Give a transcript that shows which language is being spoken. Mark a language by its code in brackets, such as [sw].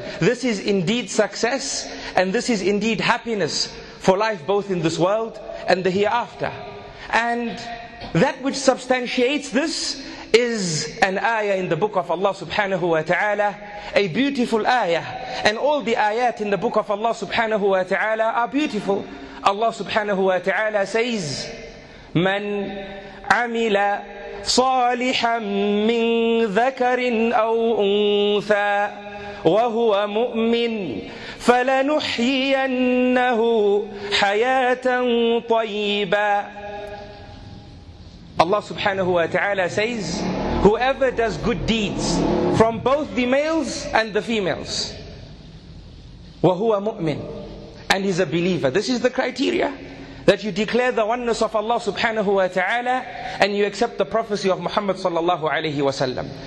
[en] This is indeed success, and this is indeed happiness for life, both in this world and the hereafter. And that which substantiates this is an ayah in the book of Allah subhanahu wa ta'ala, a beautiful ayah. And all the ayat in the book of Allah subhanahu wa ta'ala are beautiful. [ar] Allah subhanahu wa ta'ala says, من عمل صالحا من ذكر أو أنثى وهو مؤمن فلنحيينه حياة طيبة. [en] Allah subhanahu wa ta'ala says, whoever does good deeds from both the males and the females, [ar] وهو مؤمن, [en] and he's a believer. This is the criteria, that you declare the oneness of Allah subhanahu wa ta'ala and you accept the prophecy of Muhammad sallallahu alayhi wa sallam.